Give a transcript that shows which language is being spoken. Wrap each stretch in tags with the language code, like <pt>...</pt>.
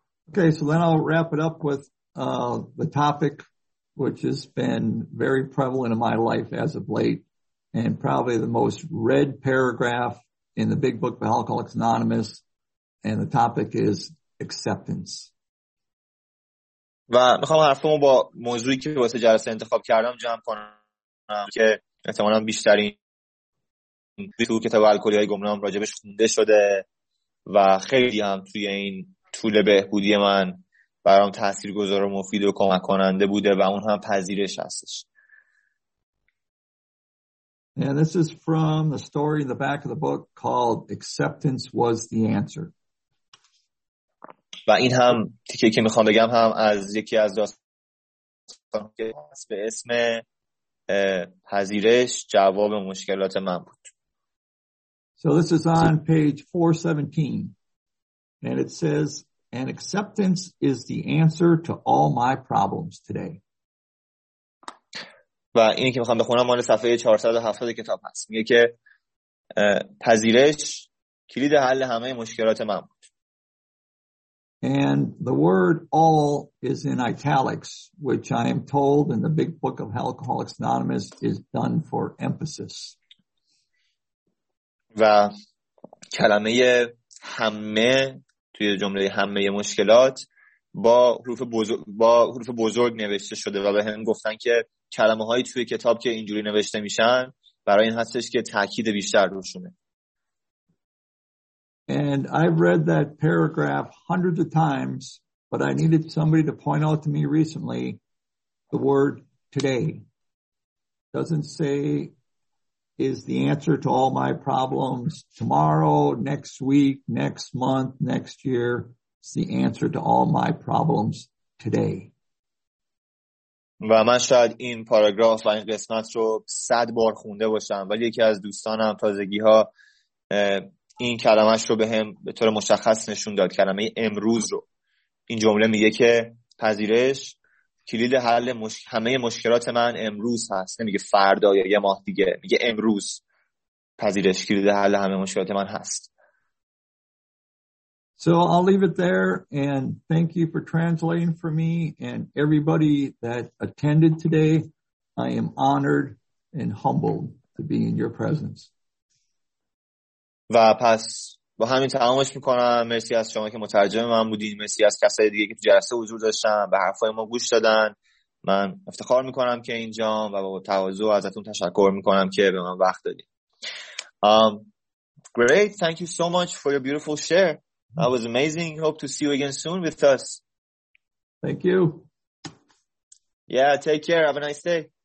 <en>Okay, so then I'll wrap it up with the topic which has been very prevalent in my life as of late and probably the most read paragraph in the big book by Alcoholics Anonymous, and the topic is acceptance.</en> <fa>و میخوام حرفمو با موضوعی که واسه جلسه انتخاب کردم جمع کنم که احتمالاً بیشترین تو کتاب الکلی‌های گمنام راجبش خونده شده و خیلی هم توی این طول بهبودی من برام تاثیرگذار و مفید و کمک کننده بوده و اون هم پذیرش هستش.</fa> <en>And this is from the story in the back of the book called Acceptance Was the Answer.</en> <fa>و این هم تیکه که میخوام بگم هم از یکی از داستان که هست به اسم پذیرش جواب مشکلات من بود.</fa> <en>So this is on page 417 and it says an acceptance is the answer to all my problems today.</en> <fa>و اینی که میخوام بخونم مال صفحه 470 کتاب هست. میگه که پذیرش کلید حل همه مشکلات من بود.</fa> <en>And the word all is in italics, which I am told in the big book of Alcoholics Anonymous is done for emphasis.</en> <fa>و کلمه همه توی جمله همه مشکلات با حروف بزرگ نوشته شده و به هم گفتن که کلمه هایی توی کتاب که اینجوری نوشته میشن برای این هستش که تاکید بیشتر روشونه.</fa> <en>And I've read that paragraph hundreds of times, but I needed somebody to point out to me recently the word today doesn't say is the answer to all my problems tomorrow, next week, next month, next year. It's the answer to all my problems today.</en> <fa>و من شاید این پاراگراف و این قسمت رو 100 بار خونده باشم ولی یکی از دوستانم تازگی‌ها این کلمه‌اش رو بهم به طور مشخص نشون داد، کلمه امروز رو. این جمله میگه که پذیرش کلید حل همه مشکلات من امروز هست، نمیگه فردا یا یه ماه دیگه، میگه امروز پذیرش کلید حل همه مشکلات من هست.</fa> <en>So I'll leave it there and thank you for translating for me and everybody that attended today. I am honored and humbled to be in your presence.</en> <fa>و پس با همین تمامش میکنم. مرسی از شما که مترجم من بودین، مرسی از کسای دیگه که تو جلسه حضور داشتن، به حرفای ما گوش دادن. من افتخار میکنم که اینجام و با تواضع ازتون تشکر میکنم که به من وقت دادین.</fa> <en>Great, thank you so much for your beautiful share. That was amazing. Hope to see you again soon with us. Thank you. Yeah, take care. Have a nice day.</en>